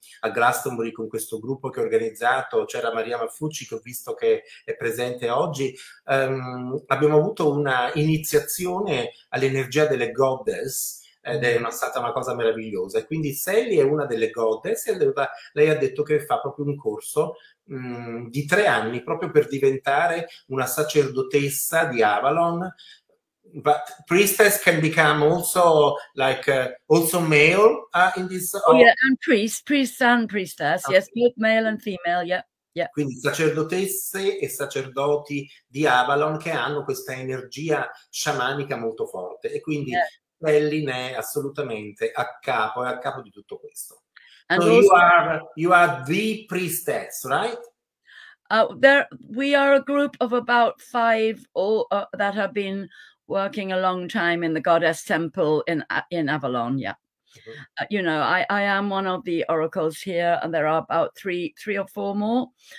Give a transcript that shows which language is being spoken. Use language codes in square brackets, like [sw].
[it] a Glastonbury con questo gruppo che ho organizzato, c'era Maria Maffucci, che ho visto che è presente oggi, abbiamo avuto una iniziazione all'energia delle goddess, ed è stata una cosa meravigliosa, e quindi Sally è una delle goddess, e lei ha detto che fa proprio un corso di 3 anni proprio per diventare una sacerdotessa di Avalon. [en] But priestess can become also like also male in this And priests and priestess, okay. Yes, both male and female, yeah. [it] Quindi sacerdotesse e sacerdoti di Avalon che hanno questa energia sciamanica molto forte, e quindi Bellin è assolutamente a capo, è a capo di tutto questo. [en] And so also, you are the priestess, right? We are a group of about 5 all that have been working a long time in the goddess temple in Avalon, yeah. Mm-hmm. You know, I am one of the oracles here, and there are about three or four more.